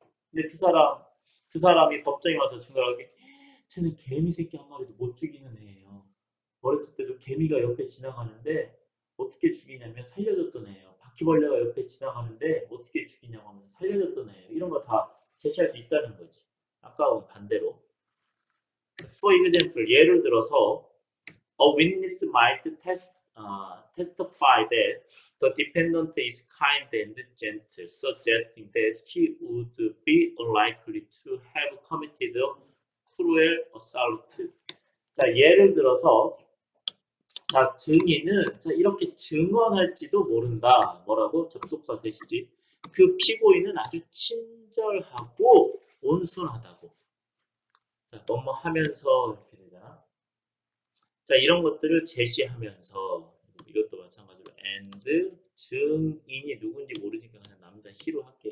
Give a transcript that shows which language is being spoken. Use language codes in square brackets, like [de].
[ko] 근데 그 사람이 법정에 와서 증거를 하게, 쟤는 개미 새끼 한 마리도 못 죽이는 애예요. 어렸을 때도 개미가 옆에 지나가는데 어떻게 죽이냐면 살려줬던 애예요. 바퀴벌레가 옆에 지나가는데 어떻게 죽이냐고 하면 살려줬던 애예요. 이런 거다 제시할 수 있다는 거지. 아까하고는 반대로. [en] For example, [ko] 예를 들어서, [en] a witness might testify that the dependent is kind and gentle, suggesting that he would be unlikely to have committed a cruel assault. [ko] 자, 예를 들어서, 자, 증인은, 자, 이렇게 증언할지도 모른다. 뭐라고? 접속사 되시지. 그 피고인은 아주 친절하고 온순하다고. 자, 뭐뭐 하면서 이렇게 되잖아. 자, 이런 것들을 제시하면서, 이것도 마찬가지로 and 증인이 누군지 모르니까 그냥 남자 히로 할게.